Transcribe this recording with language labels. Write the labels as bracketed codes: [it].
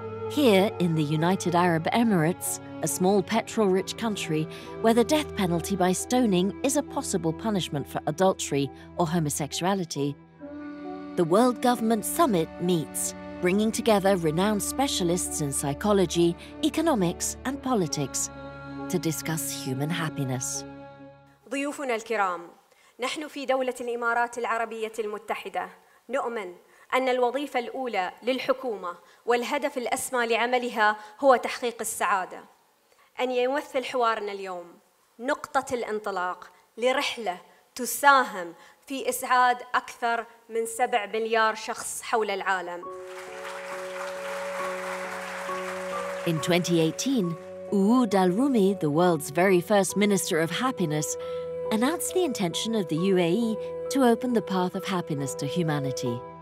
[en] Here, in the United Arab Emirates, a small petrol-rich country where the death penalty by stoning is a possible punishment for adultery or homosexuality, the World Government Summit meets, bringing together renowned specialists in psychology, economics, and politics to discuss human happiness. [ar] ضيوفنا الكرام، نحن في دولة الإمارات العربية المتحدة نؤمن أن الوظيفة الأولى للحكومة والهدف الأسمى لعملها هو تحقيق السعادة. أن يمثل حوارنا اليوم نقطة الانطلاق لرحلة تساهم في إسعاد أكثر من 7 مليار شخص حول العالم. [en] In 2018, Ouad Al-Rumi, the world's very first Minister of Happiness, announced the intention of the UAE to open the path of happiness to humanity.